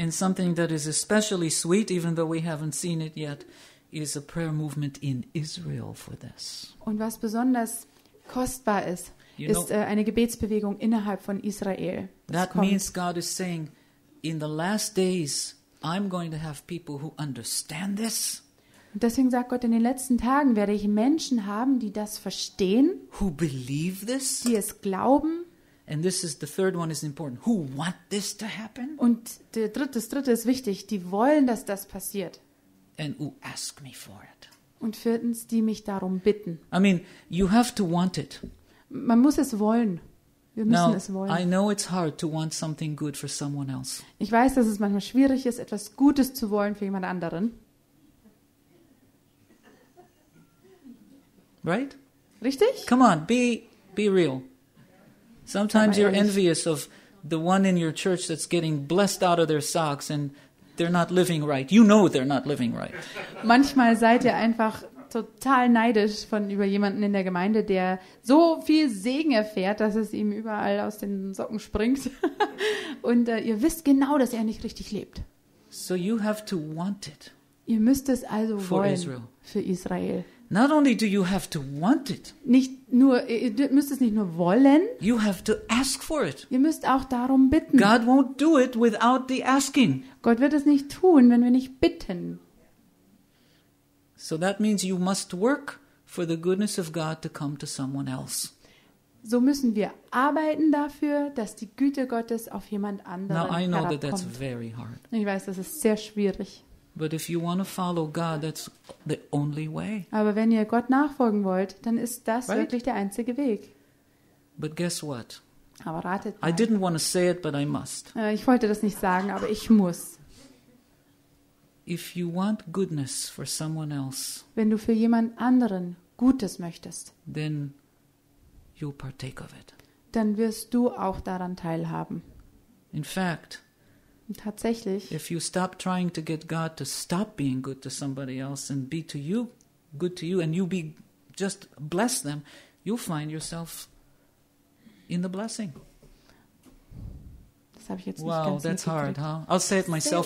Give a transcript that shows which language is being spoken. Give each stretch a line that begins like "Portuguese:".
English: And something that is especially sweet, even though we haven't seen it yet, is a prayer movement in Israel for this.
German: Und was besonders kostbar ist,
English: you
German: ist know, eine Gebetsbewegung innerhalb von Israel.
English: That
German: kommt.
English: Means God is saying, in the last days, I'm going to have people who understand this.
German: Und deswegen sagt Gott, in den letzten Tagen werde ich Menschen haben, die das verstehen.
English: Who believe this.
German: Die es glauben.
English: And this is the third one is important. Who want this to happen?
German: Und das dritte ist wichtig. Die wollen, dass das passiert.
English: And who ask me for it?
German: Und viertens, die mich darum bitten.
English: I mean, you have to want it.
German: Man muss es wollen. Wir müssen
English: Now,
German: es wollen.
English: I know it's hard to want something good for someone else.
German: Ich weiß, dass es manchmal schwierig ist, etwas Gutes zu wollen für jemand anderen.
English: Right?
German: Richtig?
English: Come on, be real. Sometimes you're envious of the one in your church that's getting blessed out of their socks and they're not living right. You know they're not living right.
German: Manchmal seid ihr einfach total neidisch von über jemanden in der Gemeinde, der so viel Segen erfährt, dass es ihm überall aus den Socken springt. Und ihr wisst genau, dass er nicht richtig lebt.
English: So you have to want it.
German: Ihr müsst es also wollen für Israel.
English: Not only do you have to want it.
German: Nicht nur, ihr müsst es nicht nur wollen.
English: You have to ask for it.
German: Ihr müsst auch darum bitten.
English: God won't do it without the asking.
German: Gott wird es nicht tun, wenn wir nicht bitten.
English: So that means you must work for the goodness of God to come to someone else.
German: So müssen wir arbeiten dafür, dass die Güte Gottes auf jemand anderen herabkommt.
English: Now I know that that's very hard.
German: Ich weiß, das ist sehr schwierig.
English: But if you want to follow God, that's the only way.
German: Aber wenn ihr Gott nachfolgen wollt, dann ist das
English: right?
German: wirklich der einzige Weg.
English: But guess what?
German: Aber ratet mal.
English: I didn't want to say it, but I must.
German: Ich wollte das nicht sagen, aber ich muss.
English: If you want goodness for someone else,
German: wenn du für jemand anderen Gutes möchtest,
English: then you partake of it.
German: Dann wirst du auch daran teilhaben.
English: In fact,
German: tatsächlich,
English: if you stop trying to get God to stop being good to somebody else and be to you, good to you, and you be just bless them, you'll find yourself in the blessing.
German: Das habe ich jetzt
English: wow,
German: nicht ganz
English: that's hard, huh? I'll say it myself